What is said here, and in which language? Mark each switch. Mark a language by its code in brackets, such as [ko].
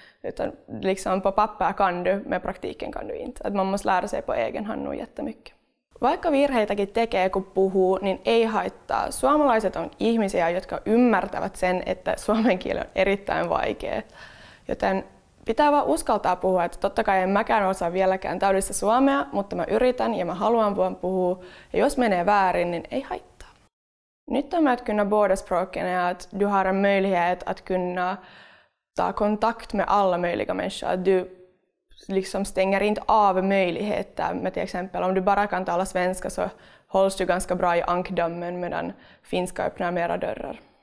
[sv] Utan liksom på papper kan du, men praktiken kan du inte. Att man måste lära sig på egen hand nog jättemycket. [fi] Vaikka virheitäkin tekee, kun puhuu, niin ei haittaa. Suomalaiset on ihmisiä, jotka ymmärtävät sen, että suomen kieli on erittäin vaikea. Joten pitää vaan uskaltaa puhua, että totta kai en mäkään osaa vieläkään täydellistä suomea, mutta mä yritän ja mä haluan vaan puhua. Ja jos menee väärin, niin ei haittaa. [sv] Nyt on myöt kunna båda språken, att du har en möjlighet att kunna ta kontakt med alla möjliga människor. Liksom stänger inte av möjligheter. Men till exempel om du bara kan tala svenska så hålls du ganska bra i ankdammen medan finska öppnar mera dörrar.